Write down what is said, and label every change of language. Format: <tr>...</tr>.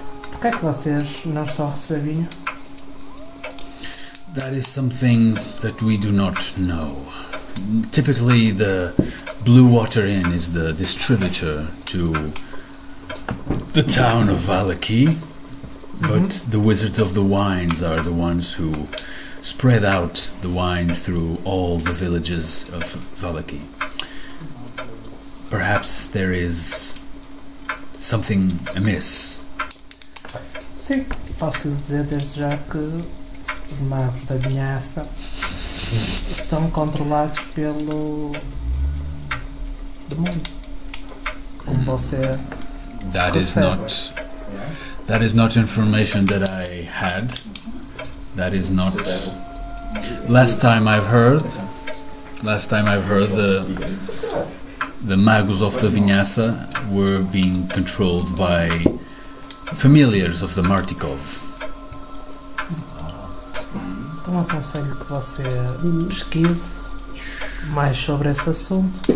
<pt>Por que é que vocês não estão a receber vinho?</pt> <en>That is something that we do not know. Typically, the Blue Water Inn is the distributor to the town of Valaki, but the Wizards of the Wines are the ones who spread out the wine through all the villages of Valaki. Perhaps there is something amiss.</en> <pt>Sim, posso dizer desde já que os magos da vinhaça são controlados pelo demônio, como você</pt> <en>that is not that is not information that I had that is not last time I've heard the magos of the vinhaça were being controlled by familiars of the Martikov.</en> <pt>Eu aconselho que você pesquise mais sobre esse assunto.</pt>